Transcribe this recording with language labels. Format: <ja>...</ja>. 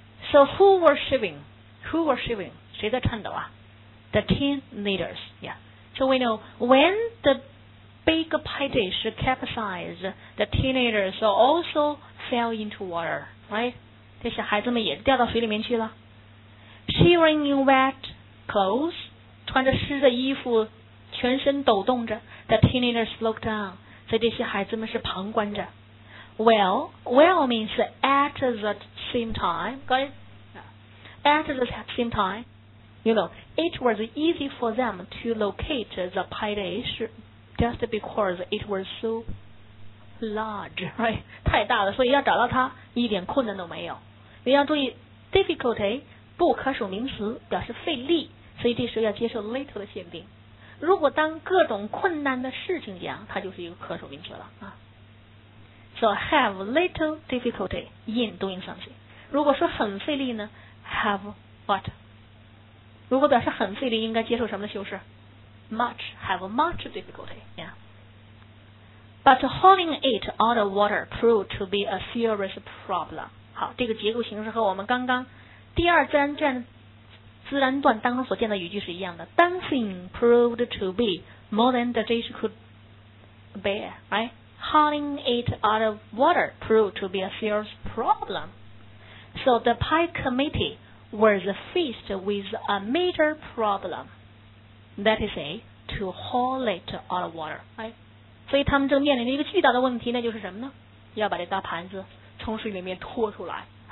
<en>So who were shaving? Who were shaving?</en> <zh>谁在颤抖啊？</zh> <en>The teenagers. Yeah. So we know when the big pie dish capsized, the teenagers also fell into water. Right?</en> <zh>这些孩子们也掉到水里面去了。</zh> <en>Shivering in wet clothes,</en> <zh>穿着湿的衣服，全身抖动着。</zh> <en>The teenagers looked on.</en> <zh>所以这些孩子们是旁观着。</zh> <en>Well means at the same time, guys. At the same time, you know, it was easy for them to locate the pie dish just because it was so large, right?</en> <zh>太大了，所以要找到它一点困难都没有。你要注意 difficulty 不可数名词，表示费力，所以这时候要接受 little 的限定。如果当各种困难的事情讲，它就是一个可数名词了啊。</zh> <en>So have little difficulty in doing something.</en> <zh>如果说很费力呢 ？ Have what? 如果表示很费力，应该接受什么的修饰</zh> <en>？Much. Have much difficulty. Yeah. But hauling it out of water proved to be a serious problem.</en> <zh>好，这个结构形式和我们刚刚第二自然段当中所见的语句是一样的。</zh> <en>Dancing proved to be more than the dish could bear. Right? Hauling it out of water proved to be a serious problem. So the pie committee was faced with a major problem. That is to haul it out of water.</en> <zh>所以他们正面临着一个巨大的问题，那就是什么呢？要把这大盘子从水里面拖出来。</zh>